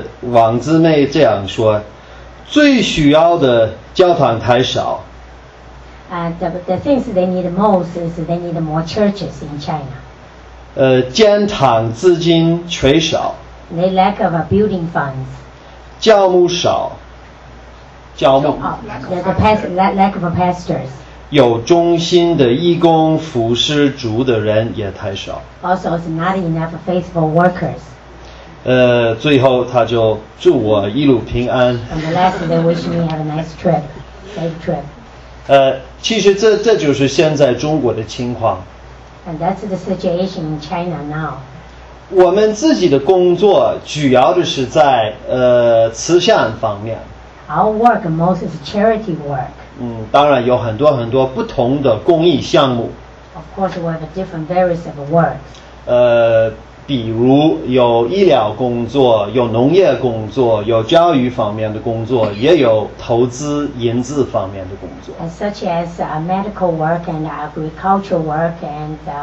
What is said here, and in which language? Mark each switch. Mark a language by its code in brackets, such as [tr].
[zh] 王姊妹这样说：最需要的教堂太少。 [en] The things they need most is they need more churches in China. [zh] 建堂资金垂少。 [en] They lack of a building funds. [zh] 教牧少。教牧。 [en] Lack of pastors. [zh] 有忠心的义工服侍主的人也太少。 [en] Also, it's not enough faithful workers. [zh] 最后他就祝我一路平安。 [en] And the last, they wish me have a nice trip, safe trip. [zh] 其实这就是现在中国的情况。 [en] And that's the situation in China now. [zh] 我们自己的工作主要的是在慈善方面。 [en] Our work mostly is charity work. [zh] 当然有很多很多不同的公益项目。 [en] Of course, we have different various of work. [zh] 比如有医疗工作，有农业工作，有教育方面的工作，也有投资银资方面的工作。 [en] Such as medical work and agricultural work and.